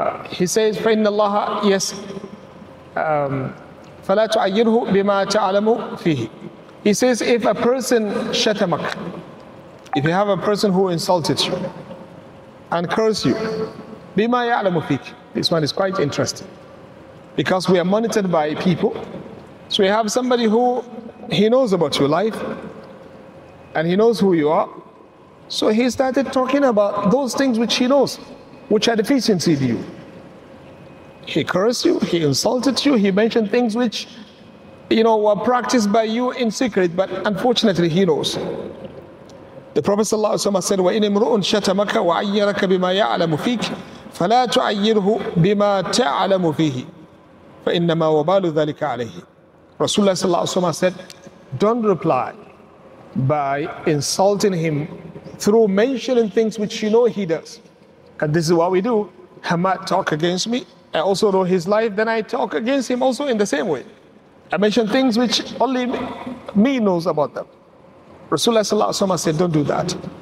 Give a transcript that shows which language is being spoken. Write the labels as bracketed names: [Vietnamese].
[English] He says, [Arabic] فَإِنَّ اللَّهَ يَسْ فلا تعيره بما تعلم فيه. [English] He says, if a person shatamak, if you have a person who insulted you and cursed you, [Arabic] بما يعلم فيك. [English] This one is quite interesting because we are monitored by people. So we have somebody who he knows about your life and he knows who you are. So he started talking about those things which he knows, which are deficiency to you. He cursed you, he insulted you, he mentioned things which, you know, were practiced by you in secret, but unfortunately he knows. The Prophet ﷺ said, [Arabic] وَإِنْ امْرُؤٌ شَتَمَكَ وَعَيَّرَكَ بِمَا يَعْلَمُ فِيكَ فَلَا تُعَيِّرْهُ بِمَا تَعْلَمُ فِيهِ فَإِنَّمَا وَبَالُ ذَلِكَ عَلَيْهِ. [English] Rasulullah ﷺ said, don't reply by insulting him through mentioning things which you know he does. And this is what we do. Hamad talk against me, I also know his life, then I talk against him also in the same way. I mention things which only me knows about them. Rasulullah sallallahu alaihi wasallam said, don't do that.